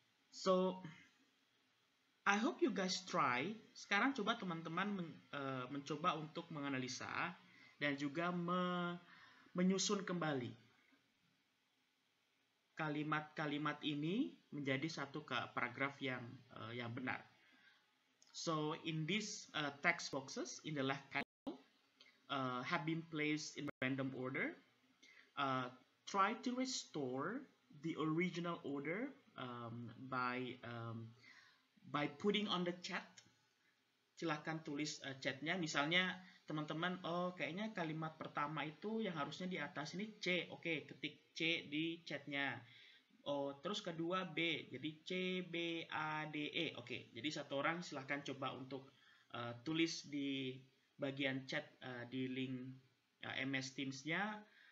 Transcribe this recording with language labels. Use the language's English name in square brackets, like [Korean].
[English] So, I hope you guys try. [Indonesian] Sekarang coba teman-teman mencoba untuk menganalisa dan juga menyusun kembali kalimat-kalimat ini menjadi satu paragraf yang benar. [English] So, in these text boxes, in the left panel, have been placed in random order. Try to restore the original order by putting on the chat. [Indonesian] Silakan tulis chatnya. Misalnya, teman-teman, oh, kayaknya kalimat pertama itu yang harusnya di atas ini C. Okay, ketik C di chatnya. Oh, terus kedua B. Jadi C, B, A, D, E. Okay, jadi satu orang silakan coba untuk tulis di bagian chat di link MS Teams-nya.